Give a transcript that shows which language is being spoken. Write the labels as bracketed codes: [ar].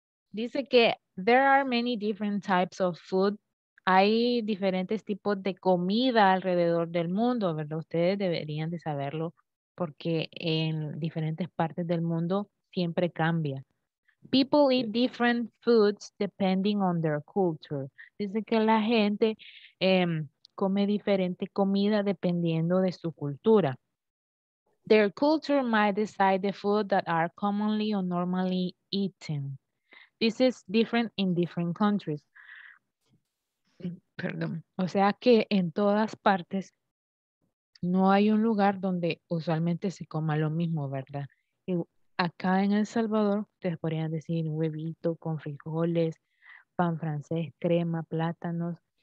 [es] Dice que [en] there are many different types of food. [es] Hay diferentes tipos de comida alrededor del mundo, ¿verdad? Ustedes deberían de saberlo porque en diferentes partes del mundo siempre cambia. [en] People eat different foods depending on their culture. [es] Dice que la gente come diferente comida dependiendo de su cultura. [en] Their culture might decide the food that are commonly or normally eaten. This is different in different countries. [es] Perdón. O sea que en todas partes no hay un lugar donde usualmente se coma lo mismo, ¿verdad? Y acá en El Salvador, ustedes podrían decir huevito con frijoles, pan francés, crema, plátanos.